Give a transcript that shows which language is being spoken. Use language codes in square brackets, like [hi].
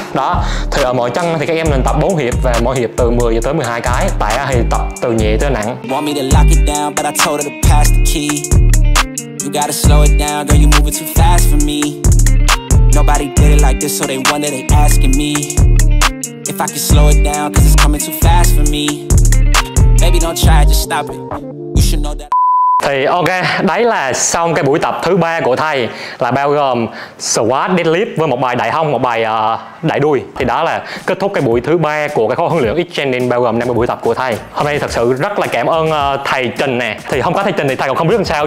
[vi] Đó, thì ở mỗi chân thì các em nên tập 4 hiệp và mỗi hiệp từ 10 tới 12 cái. Tại thì tập từ nhẹ tới nặng. [en] Want me to lock it down, but I told her to pass the key. You gotta slow it down, girl, you moving too fast for me. Nobody did it like this, so they wonder, they asking me. If I can slow it down, cause it's coming too fast for me. Baby, don't try, just stop it. You should know that. [vi] Thì ok, đấy là xong cái buổi tập thứ 3 của thầy. Là bao gồm squat, deadlift với một bài đẩy hông, một bài đẩy đuôi. Thì đó là kết thúc cái buổi thứ 3 của cái khóa huấn luyện X-Training bao gồm 50 buổi tập của thầy. Hôm nay thật sự rất là cảm ơn thầy Trình nè. Thì không có thầy Trình thì thầy còn không biết làm sao.